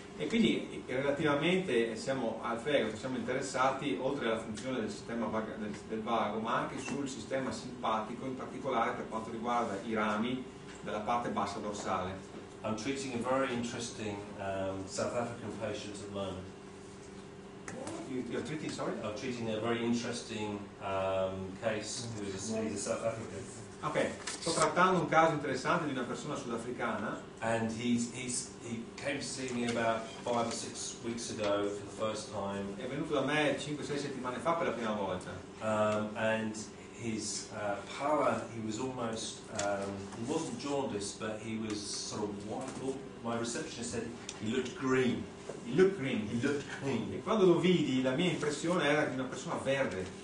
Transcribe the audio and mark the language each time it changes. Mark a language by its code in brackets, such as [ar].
[it] E quindi relativamente siamo al fegato, siamo interessati oltre alla funzione del sistema del vago, ma anche sul sistema simpatico, in particolare per quanto riguarda I rami della parte bassa dorsale. [en] I'm treating a very interesting South African patient at the moment. I'm treating a very interesting case who is a South African. [it] Okay, sto trattando un caso interessante di una persona sudafricana. [en] And he came to see me about 5 or 6 weeks ago for the first time. [it] È venuto da me 5-6 settimane fa per la prima volta. [en] And his pallor, he was almost he wasn't jaundiced, but he was sort of white. My receptionist said he looked green. He looked green. [it] E quando lo vidi, la mia impressione era di una persona verde.